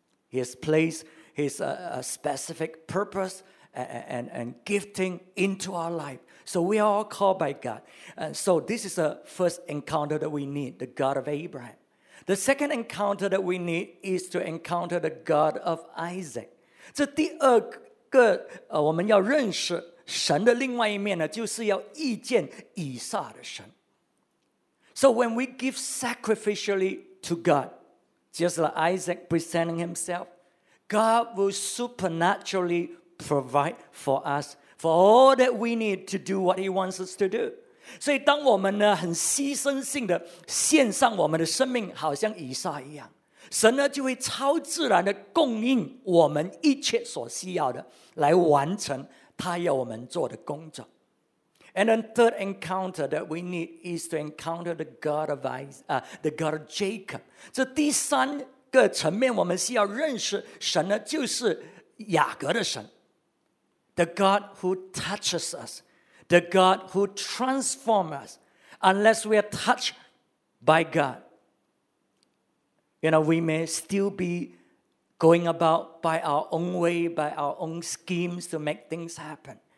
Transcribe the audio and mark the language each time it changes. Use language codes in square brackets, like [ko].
[en] He has placed His specific purpose and gifting into our life. So we are all called by God. And so this is the first encounter that we need, the God of Abraham. The second encounter that we need is to encounter the God of Isaac. [zh] 这第二个我们要认识神的另外一面呢，就是要遇见以撒的神。 [en] So when we give sacrificially to God, just like Isaac presenting himself, God will supernaturally provide for us for all that we need to do what He wants us to do. [zh] 所以当我们呢很牺牲性的献上我们的生命，好像以撒一样，神呢就会超自然的供应我们一切所需要的，来完成他要我们做的工作。 [en] And then third encounter that we need is to encounter the God of the God of Jacob. [zh] 这第三个层面我们是要认识神呢，就是雅各的神。 [en] The God who touches us, the God who transforms us. Unless we are touched by God, you know, we may still be going about by our own way, by our own schemes to make things happen.